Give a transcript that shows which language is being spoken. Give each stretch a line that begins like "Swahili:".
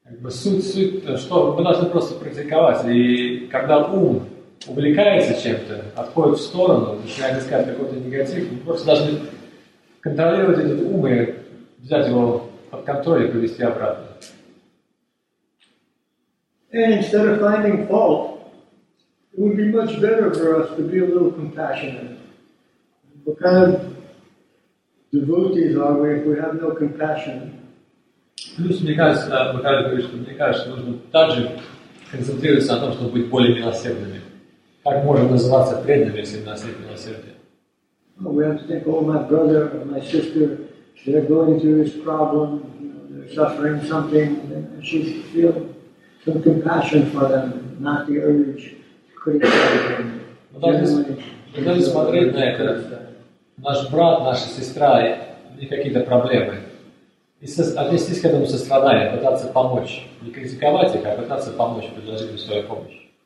Russian: Суть, что мы должны просто практиковать. И когда ум увлекается чем-то, отходит в сторону, начинает искать какой-то негатив, мы просто должны контролировать этот ум и взять его под контроль и привести обратно.
English: And instead of finding fault, it would be much better for us to be a little compassionate. What kind of devotees are we if we have no compassion?
Russian: Плюс, мне кажется, Махарадж говорит, что нужно также концентрироваться на том, чтобы быть более милосердными. Как можно называться преданным, если у нас нет милосердия?
English: Well, we have to think, oh, my brother, my sister, they're going through this problem, they're suffering something, and she should feel some compassion for them, not the urge to criticize them.
Russian: Мы должны смотреть на это, наш брат, наша сестра, и какие-то проблемы. И отнестись к этому состраданию, пытаться помочь. Не критиковать их, а пытаться помочь, предложить им свою помощь.